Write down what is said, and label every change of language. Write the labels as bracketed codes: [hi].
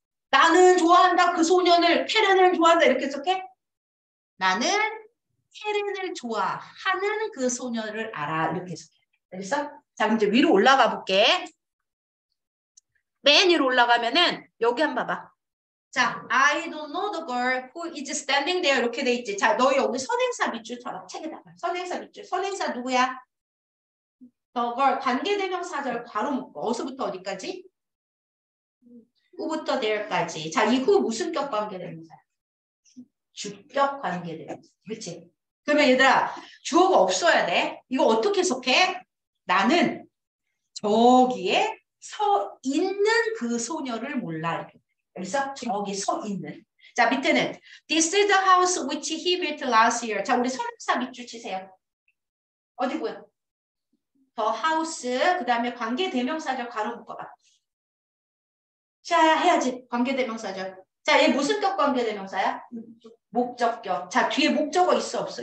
[ko] 나는 좋아한다. 그 소년을 캐런을 좋아한다. 이렇게 해석해? 나는 캐런을 좋아하는 그 소년을 알아. 이렇게 해석해. 알겠어? 자, 이제 위로 올라가 볼게. 맨 위로 올라가면은 여기 한번 봐봐. [en] 자, I don't know the girl who is standing there. [ko] 이렇게 돼 있지. 자, 너 여기 선행사 밑줄 쳐라. 책에다가. 선행사 밑줄. 선행사 누구야? 더걸 관계대명사절 괄호 묶고 어서부터 어디까지? 후부터 there까지. 자, 이후 무슨 격 관계대명사야? 주격 관계대명사. 그렇지? 그러면 얘들아 주어가 없어야 돼. 이거 어떻게 해석해? 나는 저기에 서 있는 그 소녀를 몰라. 그래서 저기 서 있는. 자, 밑에는 [en] This is the house which he built last year. [ko] 자, 우리 설명사 밑줄 치세요. 어디 보여? The house, 그 다음에 관계대명사적 괄호 묶어봐. 자, 해야지. 관계대명사죠. 자, 얘 무슨 격 관계대명사야? 목적격. 자, 뒤에 목적어 있어 없어?